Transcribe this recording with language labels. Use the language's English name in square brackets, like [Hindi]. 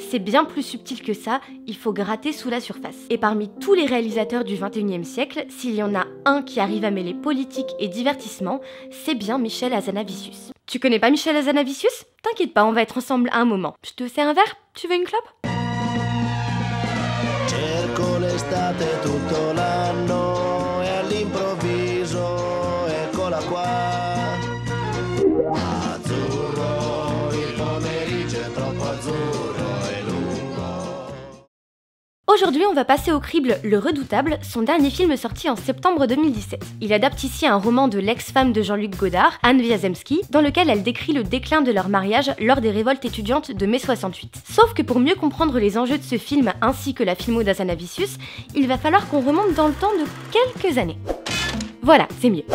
[French] C'est bien plus subtil que ça, il faut gratter sous la surface. Et parmi tous les réalisateurs du 21e siècle, s'il y en a un qui arrive à mêler politique et divertissement, c'est bien Michel Hazanavicius. Tu connais pas Michel Hazanavicius? T'inquiète pas, on va être ensemble un moment. Je te sers un verre? Tu veux une clope? [Italian] Cerco l'estate tutto l'anno e all'improvviso eccola qua. Azzurro, il pomeriggio è troppo azzurro e lungo. [French] Aujourd'hui, on va passer au crible Le Redoutable, son dernier film sorti en septembre 2017. Il adapte ici un roman de l'ex-femme de Jean-Luc Godard, Anne Wiazemski, dans lequel elle décrit le déclin de leur mariage lors des révoltes étudiantes de mai 68. Sauf que pour mieux comprendre les enjeux de ce film ainsi que la filmo d'Hazanavicius, il va falloir qu'on remonte dans le temps de quelques années. Voilà, c'est mieux.